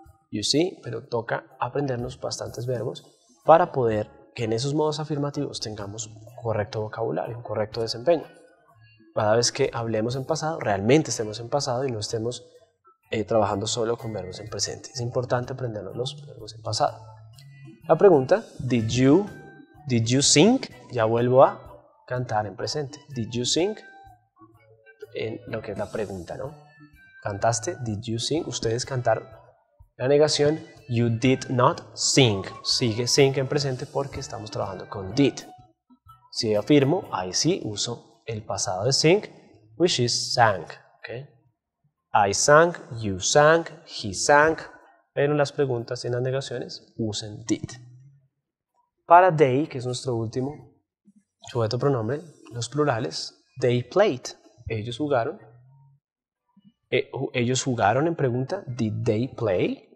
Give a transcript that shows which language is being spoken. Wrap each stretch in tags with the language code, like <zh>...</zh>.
<en>You see,</en> <es>pero toca aprendernos bastantes verbos para poder que en esos modos afirmativos tengamos un correcto vocabulario, un correcto desempeño. Cada vez que hablemos en pasado, realmente estemos en pasado y no estemos trabajando solo con verbos en presente. Es importante aprendernos los verbos en pasado. La pregunta,</es> <en>did you sing?</en> <es>Ya vuelvo a cantar en presente.</es> <en>Did you sing?</en> <es>En lo que es la pregunta, ¿no? ¿Cantaste?</es> <en>Did you sing?</en> <es>¿Ustedes cantaron? La negación,</es> <en>you did not sing.</en> <es>Sigue sing en presente porque estamos trabajando con did. Si afirmo, ahí sí uso el pasado de sing,</es> <en>which is sang. Okay? I sang, you sang, he sang.</en> <es>Pero en las preguntas y en las negaciones, usen did. Para they, que es nuestro último sujeto pronombre, los plurales,</es> <en>they played.</en> <es>Ellos jugaron. Ellos jugaron en pregunta,</es> <en>did they play?</en>